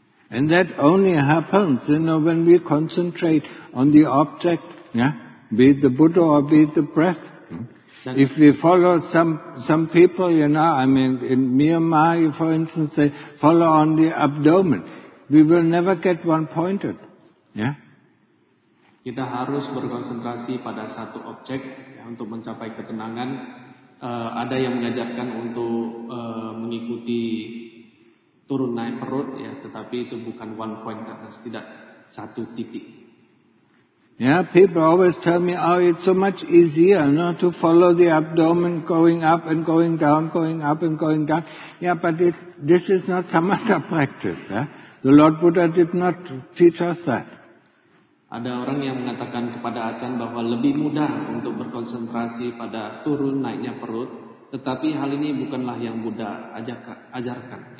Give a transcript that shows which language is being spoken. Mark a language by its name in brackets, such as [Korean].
[English] And that only happens, you know, when we concentrate on the object, yeah? Be it the Buddha or be it the breath. If we follow some people, you know, I mean, in Myanmar, for instance, they follow on the abdomen. We will never get one pointed, yeah? [Indonesian] Kita harus berkonsentrasi pada satu objek, ya, untuk mencapai ketenangan. Ada yang mengajarkan untuk mengikuti turun naik perut, ya, tetapi itu bukan one point, tidak satu titik. [English] Yeah, people always tell me, oh, it's so much easier, no, to follow the abdomen going up and going down, going up and going down. Yeah, but this is not samatha practice. Eh? The Lord Buddha did not teach us that. [Indonesian] Ada orang yang mengatakan kepada Achan bahwa lebih mudah untuk berkonsentrasi pada turun naiknya perut, tetapi hal ini bukanlah yang Buddha ajarkan.